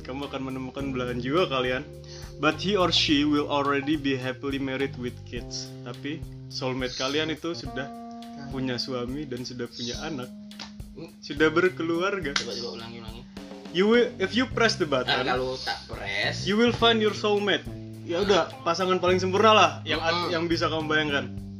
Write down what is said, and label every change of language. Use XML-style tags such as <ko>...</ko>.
<id>Kamu akan menemukan belahan jiwa kalian.</id> <en>But he or she will already be happily married with kids.</en> <id>Tapi soulmate kalian itu sudah punya suami dan sudah punya anak. Sudah berkeluarga. Coba ulangi.</id> <en>You will, if you press the button.</en> <id>Kalau tak press,</id> <en>you will find your soulmate.</en> <id>Ya udah, pasangan paling sempurna lah yang bisa kamu bayangkan.</id>